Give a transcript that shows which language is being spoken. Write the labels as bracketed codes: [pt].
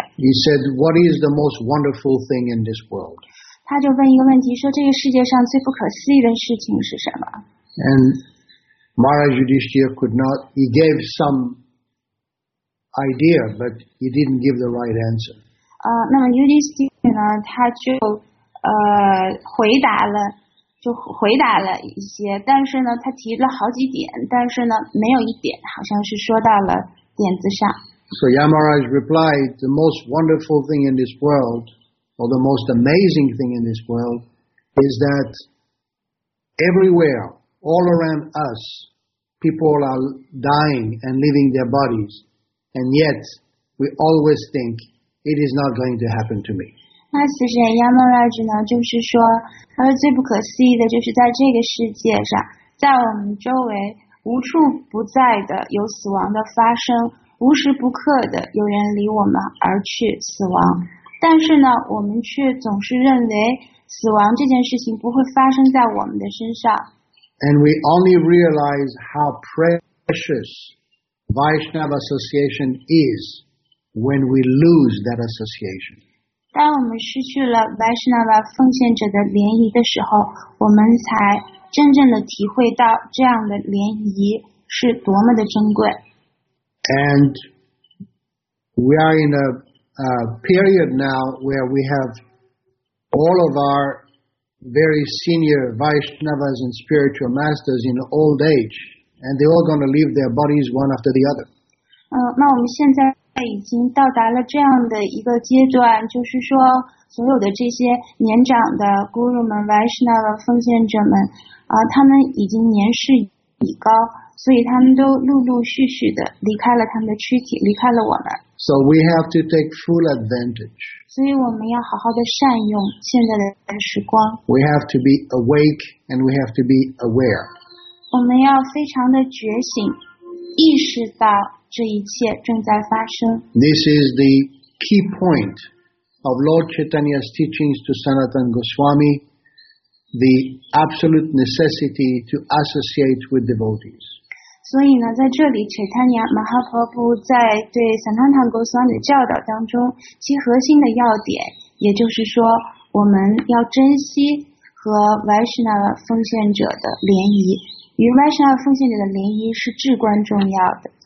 [en] He said, "What is the most wonderful thing in this world?" [zh] 他就问一个问题，说这个世界上最不可思议的事情是什么 [en] ？And Maharaj Yudhishthira could not. He gave some idea, but he didn't give the right answer. [zh] 那么 Yudhishthira 呢，他就回答了。就回答了一些，但是呢，他提了好几点，但是呢，没有一点好像是说到了点子上。 [en] So Yamaraj replied, "The most wonderful thing in this world, or the most amazing thing in this world, is that everywhere, all around us, people are dying and leaving their bodies, and yet we always think it is not going to happen to me." [zh] 那死神 Yamaraj 呢，就是说。他说最不可思议的就是在这个世界上，在我们周围无处不在的有死亡的发生，无时不刻的有人离我们而去死亡，但是呢，我们却总是认为死亡这件事情不会发生在我们的身上。 [en] And we only realize how precious Vaishnava association is when we lose that association. [zh] 当我们失去了 Vaishnava 奉献者的联谊的时候，我们才真正的体会到这样的联谊是多么的珍贵。 [en] And we are in a period now where we have all of our very senior Vaishnavas and spiritual masters in old age, and they're all going to leave their bodies one after the other. [zh] 那我们现在。已经到达了这样的一个阶段，就是说，所有的这些年长的 Guru 们、Vaishnava 奉献者们，他们已经年事已高，所以他们都陆陆续续的离开了他们的躯体，离开了我们。 [en] So we have to take full advantage. [zh] 所以我们要好好的善用现在的时光。 [en] We have to be awake and we have to be aware. [zh] 我们要非常的觉醒，意识到。这一切正在发生。 [en] This is the key point of Lord Chaitanya's teachings to Sanatana Goswami, the absolute necessity to associate with devotees. [zh] 所以呢，在这里 ，Chaitanya Mahaprabhu 在对 Sanatana Goswami 的教导当中，其核心的要点，也就是说，我们要珍惜和 Vaishnava 奉献者的联谊，与 Vaishnava 奉献者的联谊是至关重要的。